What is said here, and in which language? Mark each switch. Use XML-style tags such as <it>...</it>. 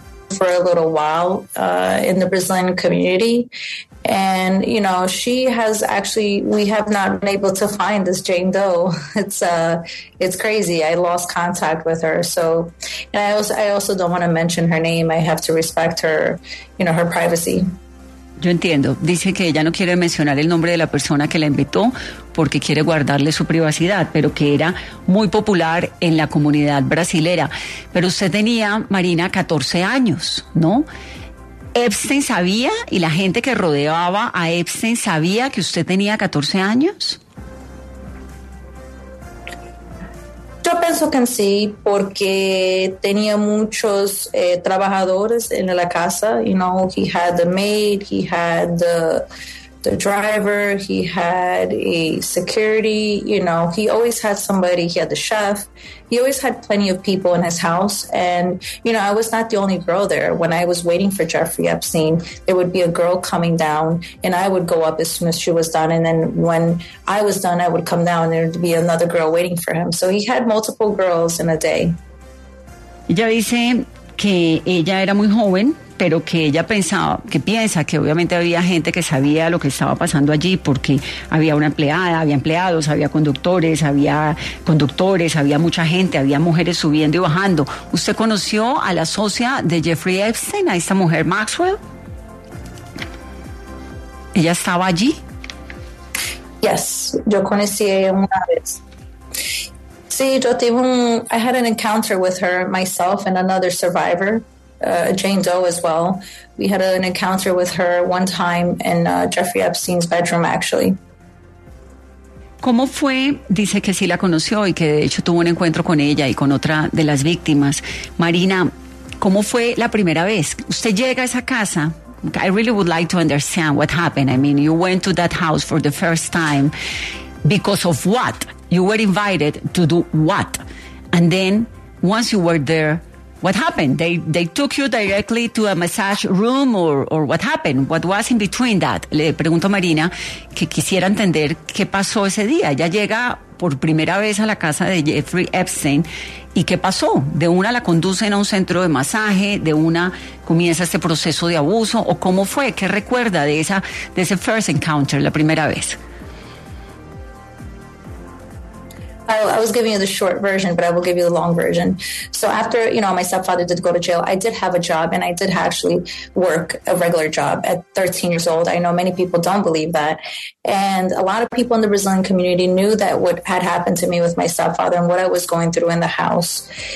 <en>For a little while in the Brazilian community. And, you know, she has actually, we have not been able to find this Jane Doe. It's crazy. I lost contact with her. So, and I also don't want to mention her name. I have to respect her, you know, her privacy.</en> <es>Yo entiendo. Dice que ella no quiere mencionar el nombre de la persona que la invitó porque quiere guardarle su privacidad, pero que era muy popular en la comunidad brasilera. Pero usted tenía, Marina, 14 años, ¿no? ¿Epstein sabía y la gente que rodeaba a Epstein sabía que usted tenía 14 años?</es> <en>Well,</en> <es>pienso que sí, porque tenía muchos trabajadores en la casa.</es> <en>You know, he had the maid, he had the driver, he had a security, you know, he always had somebody, he had the chef, he always had plenty of people in his house. And, you know, I was not the only girl there. When I was waiting for Jeffrey Epstein, there would be a girl coming down and I would go up as soon as she was done. And then when I was done, I would come down and there would be another girl waiting for him. So he had multiple girls in a day.</en> <es>Ella dice que ella era muy joven, pero que ella pensaba, que piensa que obviamente había gente que sabía lo que estaba pasando allí, porque había una empleada, había empleados, había conductores, había mucha gente, había mujeres subiendo y bajando. ¿Usted conoció a la socia de Jeffrey Epstein, a esta mujer Maxwell? ¿Ella estaba allí? Yes, yo conocí a ella una vez. Sí, yo tuve un...</es> <en>I had an encounter with her, myself and another survivor. Jane Doe as well. We had an encounter with her one time in Jeffrey Epstein's bedroom, actually.</en> <es>¿Cómo fue? Dice que sí la conoció y que de hecho tuvo un encuentro con ella y con otra de las víctimas. Marina, ¿cómo fue la primera vez? Usted llega a esa casa.</es> <en>I really would like to understand what happened. I mean, you went to that house for the first time because of what? You were invited to do what? And then once you were there, what happened? They took you directly to a massage room or what happened? What was in between that?</en> <es>Le pregunto a Marina que quisiera entender qué pasó ese día. Ella llega por primera vez a la casa de Jeffrey Epstein y qué pasó. De una la conducen a un centro de masaje, de una comienza este proceso de abuso o cómo fue, qué recuerda de esa de ese</es> <en>first encounter,</en> <es>la primera vez.</es> <en>I was giving you the short version, but I will give you the long version. So after, you know, my stepfather did go to jail, I did have a job and I did actually work a regular job at 13 years old. I know many people don't believe that. And a lot of people in the Brazilian community knew that what had happened to me with my stepfather and what I was going through in the house.</en>